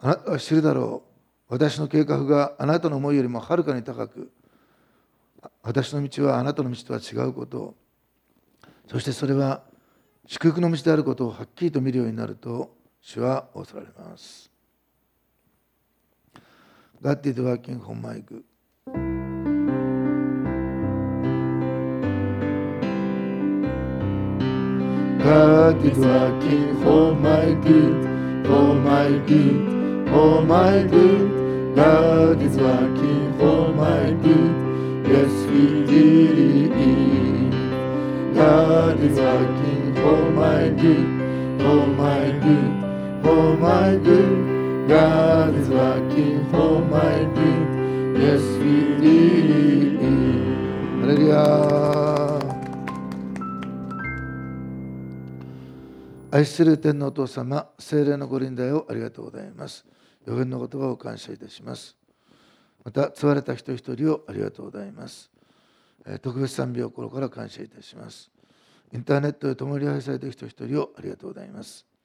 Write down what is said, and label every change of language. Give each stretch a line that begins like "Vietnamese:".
Japanese: あなたは知るだろう。私の計画があなたの思いよりもはるかに高く、私の道はあなたの道とは違うこと、そしてそれは祝福の道であることをはっきりと見るようになると主は仰せられます。
English: God is working on my good。 God is working for my good, for my good, for my good. God is working for my good, yes He did it. God is working for my good, for my good, for my good. God is working for my good, yes He did it. Hallelujah.
Japanese: 愛する天のお父様、聖霊のご臨在をありがとうございます。予言の言葉を感謝いたします。また救われた人一人をありがとうございます。特別賛美を心から感謝いたします。インターネットで共に愛されている人一人をありがとうございます。